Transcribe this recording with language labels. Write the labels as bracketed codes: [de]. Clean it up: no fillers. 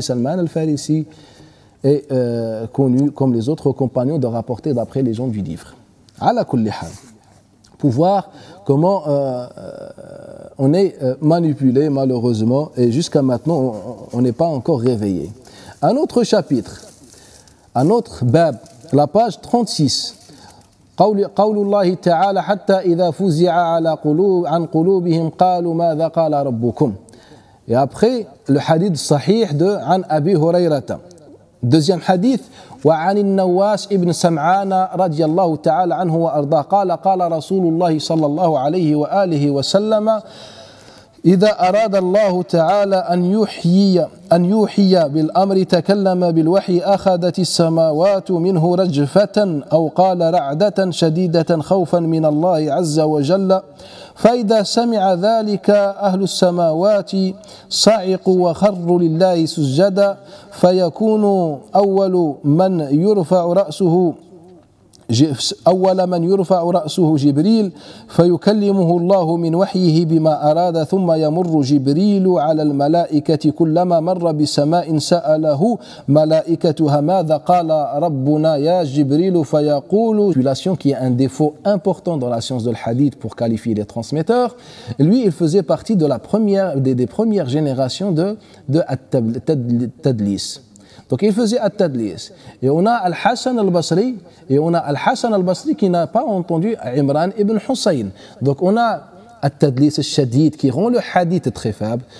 [fr] Salman al-Farisi est connu comme les autres compagnons de rapporter d'après les gens du livre. Ala kulli hal. Pour voir comment on est manipulé malheureusement et jusqu'à maintenant on n'est pas encore réveillé. Un autre chapitre, un autre bab, la page 36. [ar] قول الله تعالى حتى إذا فزع على قلوب عن قلوبهم قالوا ماذا قال ربكم. [fr] Et après le hadith sahih de [ar] عن أبي هريرة. [fr] Deuxième hadith [ar] وعن النواس ابن سمعان رضي الله تعالى عنه وأرضاه قال قال رسول الله صلى الله عليه وآله وسلم إذا أراد الله تعالى أن يحيي بالأمر تكلم بالوحي أخذت السماوات منه رجفة أو قال رعدة شديدة خوفا من الله عز وجل فإذا سمع ذلك أهل السماوات صعقوا وخروا لله سجدا فيكون أول من يرفع رأسه أول من يرفع رأسه جبريل فيكلمه الله من وحيه بما أراد ثم يمر جبريل على الملائكة كلما مر بسماء سأله ملائكتها ماذا قال ربنا يا جبريل فيقول [fr] population qui est un défaut important dans la science de l'hadith pour qualifier les transmetteurs. Lui, il faisait partie de la première des premières générations de at-tadlis. Donc il faisait At-Tadlis. Et on a Al-Hassan al-Basri, et on a Al-Hassan al-Basri qui n'a pas entendu Imran ibn Hussein. Donc on a At-Tadlis al-Shadid qui rend le hadith très faible.